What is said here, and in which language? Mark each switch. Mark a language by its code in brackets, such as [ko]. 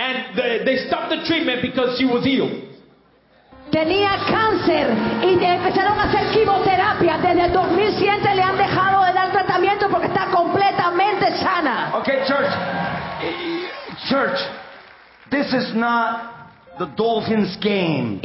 [en] And they stopped the treatment because she was healed. [es] Tenía cáncer y empezaron a hacer quimioterapia. Desde el 2007 le han dejado de dar tratamiento porque está completamente sana. [en] Okay, church, this is not the Dolphins game.